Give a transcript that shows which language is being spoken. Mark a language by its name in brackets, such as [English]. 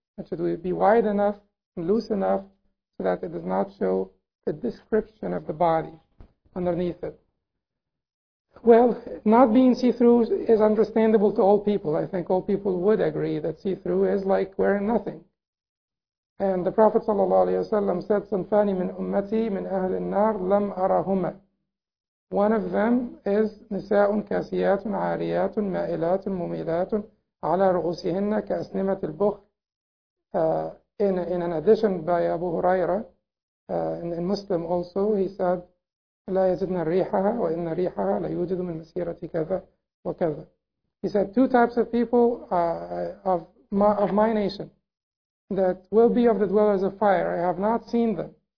[English] It should be wide enough and loose enough so that it does not show the description of the body underneath it. Well, not being see-through is understandable to all people. I think all people would agree that see-through is like wearing nothing. And the Prophet ﷺ said, [Arabic] صَنْفَانِ مِنْ أُمَّتِي مِنْ أَهْلِ النَّارِ لَمْ أَرَهُمَا. [English] One of them is [Arabic] نِسَاءٌ كَاسِيَاتٌ عَارِيَاتٌ مَائِلَاتٌ مُمِيلَاتٌ عَلَى رُؤُسِهِنَّ كَأَسْنِمَةِ الْبُخْرِ. [English] In an addition by Abu Huraira, in Muslim also, he said, [Arabic] لَا يَجِدْنَا رِيحَهَا وَإِنَّ رِيحَهَا لَيُوجِدُ مِنْ مَسِيرَةِ كَذَا وَكَذَا. [English] He said, two types of people of my nation that will be of the dwellers of fire, I have not seen them.